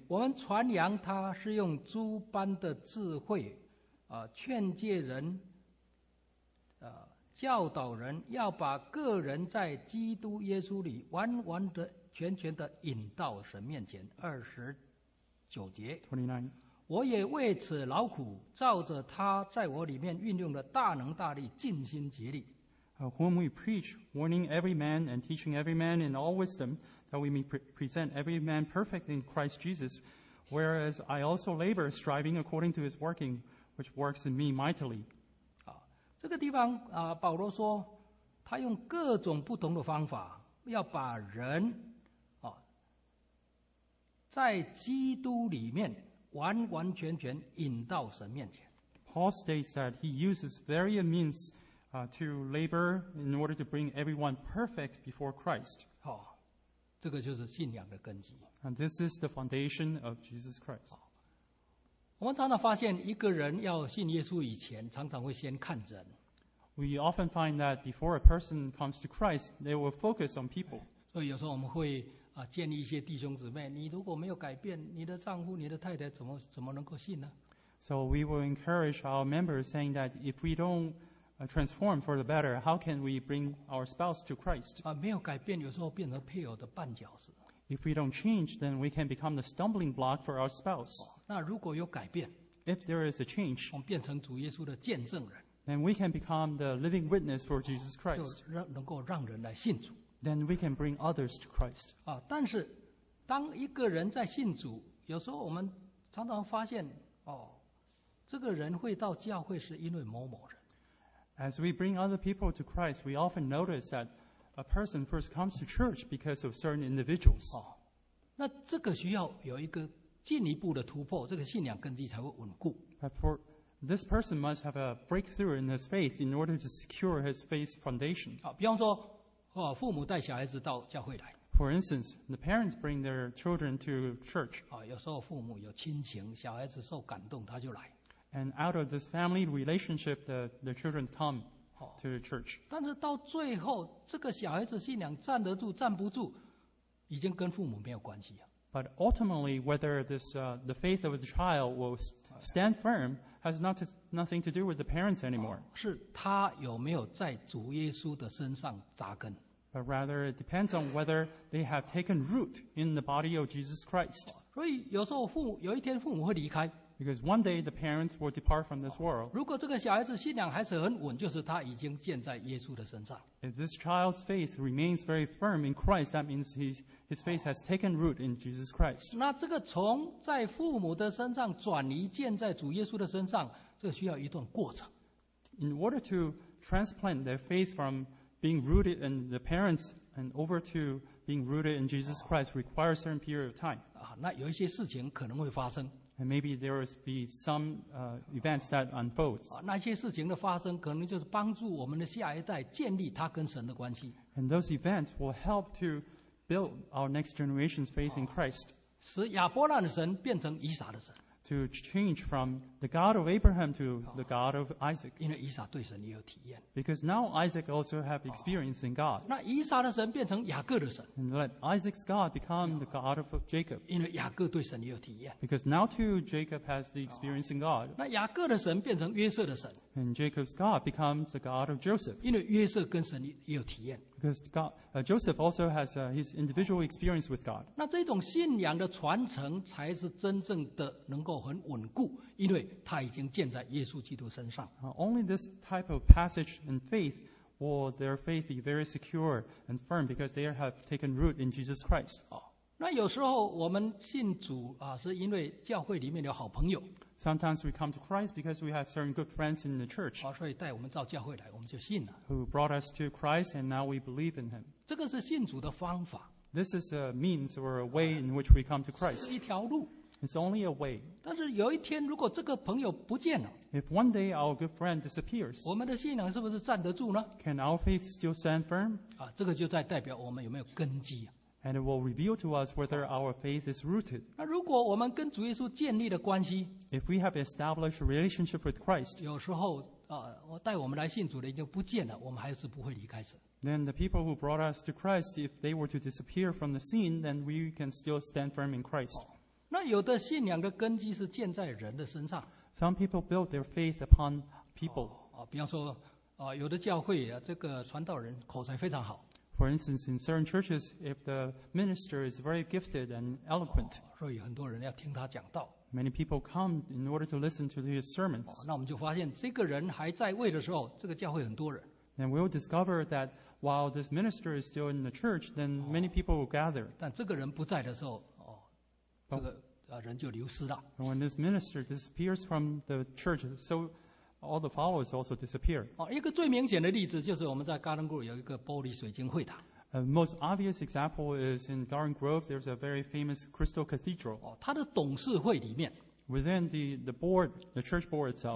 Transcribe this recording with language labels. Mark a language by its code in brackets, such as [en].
[zh] 我们传扬他是用诸般的智慧，劝诫人，教导人，要把个人在基督耶稣里完完的全全的引到神面前。二十九节。 [en] 29. [zh] 我也为此劳苦，照着他在我里面运用的大能大力，尽心竭力。 [en] Whom we preach, warning every man and teaching every man in all wisdom, that we may present every man perfect in Christ Jesus. Whereas I also labor, striving according to his working, which works in me mightily. [zh] 这个地方保罗说，他用各种不同的方法，要把人在基督里面完完全全引到神面前。 [en] Paul states that he uses various means. To labor in order to bring everyone perfect before Christ. [zh] 这个就是信仰的根基。 [en] And this is the foundation of Jesus Christ. [zh] 我们常常发现一个人要信耶稣以前常常会先看人。 [en] We often find that before a person comes to Christ, they will focus on people. [zh] 所以有时候我们会建议一些弟兄姊妹，你如果没有改变，你的丈夫、你的太太怎么能够信呢？ [en] So we will encourage our members saying that if we don't,transform for the better, how can we bring our spouse to Christ? [zh] 没有改变，有时候变成配偶的绊脚石。 [en] If we don't change, then we can become the stumbling block for our spouse. [zh] 那如果有改变， [en] if there is a change, [zh] 我们变成主耶稣的见证人， [en] then we can become the living witness for Jesus Christ. [zh] 能够让人来信主， [en] then we can bring others to Christ. [zh] 但是当一个人在信主，有时候我们常常发现，这个人会到教会是因为某某人。 [en] As we bring other people to Christ, we often notice that a person first comes to church because of certain individuals. [zh] 那这个需要有一个进一步的突破，这个信仰根基才会稳固。 [en] But for this person must have a breakthrough in his faith in order to secure his faith foundation. [zh] 比方说，父母带小孩子到教会来。 [en] For instance, the parents bring their children to church. [zh] 有时候父母有亲情，小孩子受感动，他就来。 [en] And out of this family relationship, the children come to the church. [zh] 但是到最后，这个小孩子信仰站得住站不住，已经跟父母没有关系了。 [en] But ultimately, whether this the faith of the child will stand firm has nothing to do with the parents anymore. [zh] 是他有没有在主耶稣的身上扎根。 [en] But rather, it depends on whether they have taken root in the body of Jesus Christ. [zh] 所以有时候父母有一天父母会离开。 [en] Because one day the parents will depart from this world. [zh] 如果这个小孩子信仰还是很稳，就是他已经建在耶稣的身上。 [en] If this child's faith remains very firm in Christ, that means his faith has taken root in Jesus Christ. [zh] 那这个从在父母的身上转移建在主耶稣的身上，这需要一段过程。 [en] In order to transplant their faith from being rooted in the parents and over to being rooted in Jesus Christ requires a certain period of time. [zh] 那有一些事情可能会发生。 [en] And maybe there will be some events that unfolds. [zh] 那些事情的发生，可能就是帮助我们的下一代建立他跟神的关系。 [en] And those events will help to build our next generation's faith in Christ. [zh] 使亚伯拉罕的神变成以撒的神。 [en] To change from the God of Abraham to the God of Isaac. [zh] 因为以撒对神也有体验。 [en] Because now Isaac also have experience in God. [zh] 那以撒的神变成雅各的神。 [en] And let Isaac's God become the God of Jacob. [zh] 因为雅各对神也有体验。 [en] Because now too Jacob has the experience in God. [zh] 那雅各的神变成约瑟的神。 [en] And Jacob's God becomes the God of Joseph. [zh] 因为约瑟跟神也有体验。 [en] Because Joseph also has his individual experience with God. [zh] 那这种信仰的传承才是真正的能够很稳固，因为它已经建在耶稣基督身上。 [en] Only this type of passage and faith will their faith be very secure and firm because they have taken root in Jesus Christ. [zh] 那有时候我们信主是因为教会里面有好朋友。 [en] Sometimes we come to Christ because we have certain good friends in the church. [zh] 所以带我们到教会来，我们就信了。 [en] Who brought us to Christ and now we believe in him. [zh] 这个是信主的方法。 [en] This is a means or a way in which we come to Christ. [zh] 是一条路。 [en] It's only a way. [zh] 但是有一天如果这个朋友不见了。 [en] If one day our good friend disappears. [zh] 我们的信仰是不是站得住呢？ [en] Can our faith still stand firm? [zh] 这个就在代表我们有没有根基啊。 [en] And it will reveal to us whether our faith is rooted. [zh] 那如果我们跟主耶稣建立的关系， [en] If we have established a relationship with Christ, [zh] 有时候我带我们来信主的已经不见了，我们还是不会离开神。 [en] Then the people who brought us to Christ, if they were to disappear from the scene, then we can still stand firm in Christ. [zh] 那有的信仰的根基是建在人的身上。 [en] Some people built their faith upon people. [zh] 比方说，有的教会这个传道人口才非常好。 [en] For instance, in certain churches, if the minister is very gifted and eloquent, [zh] 所以很多人要听他讲道。 [en] Many people come in order to listen to his sermons. [zh] 那我们就发现，这个人还在位的时候，这个教会很多人。 [en] And we'll discover that while this minister is still in the church, then many people will gather. [zh] 但这个人不在的时候，人就流失了。 [en] And when this minister disappears from the church, so all the followers also disappear. [zh] 一个最明显的例子就是我们在 Garden Grove 有一个玻璃水晶会堂。 [en] The most obvious example is in Garden Grove, there's a very famous crystal cathedral. [zh] 它的董事会里面。 [en] Within the board, the church board itself,